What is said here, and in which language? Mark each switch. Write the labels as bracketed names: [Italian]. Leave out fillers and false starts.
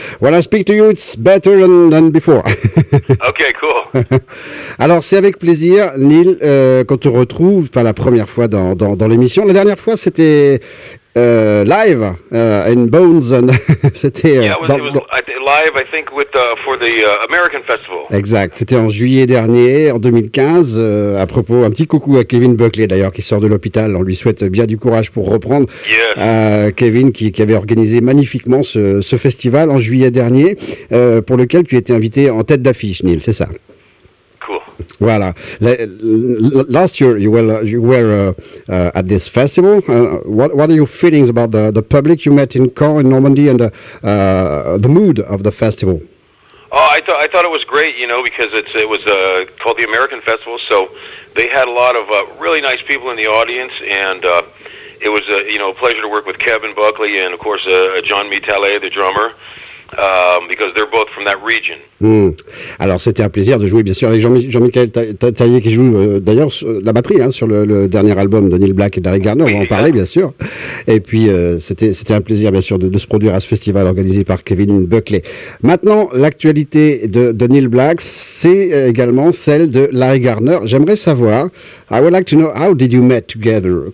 [English] When I speak to you, it's better than before. Okay, cool. [French] Alors, c'est avec plaisir, Neil, qu'on te retrouve, pas la première fois dans l'émission. La dernière fois, c'était [English] live in Bones. And [French] c'était [English] live, I think, with for the American Festival. [French] Exact. C'était en juillet dernier, en 2015. À propos, un petit coucou à Kevin Buckley, d'ailleurs, qui sort de l'hôpital. On lui souhaite bien du courage pour reprendre. [English] Yes. [French] Kevin, qui avait organisé magnifiquement ce festival en juillet dernier, pour lequel tu étais invité en tête d'affiche, Neil, c'est ça? Voilà. [English] Last year you were at this festival. What are your feelings about the public you met in Caen in Normandy and the mood of the festival? Oh, I thought it was great, you know, because it was called the American Festival, so they had a lot of really nice people in the audience, and it was a pleasure to work with Kevin Buckley and of course John Mitale, the drummer. Because they're both from that region. [French] Alors c'était un plaisir de jouer bien sûr avec Jean-Michel Taillé qui joue d'ailleurs la batterie hein, sur le dernier album de Neil Black et d'Harry Garner, on va en parler bien sûr. Et puis c'était un plaisir bien sûr de se produire à ce festival organisé par Kevin Buckley. Maintenant l'actualité de Neil Black, c'est également celle de Harry Garner. J'aimerais savoir, [English] I would like to know, how did you meet together?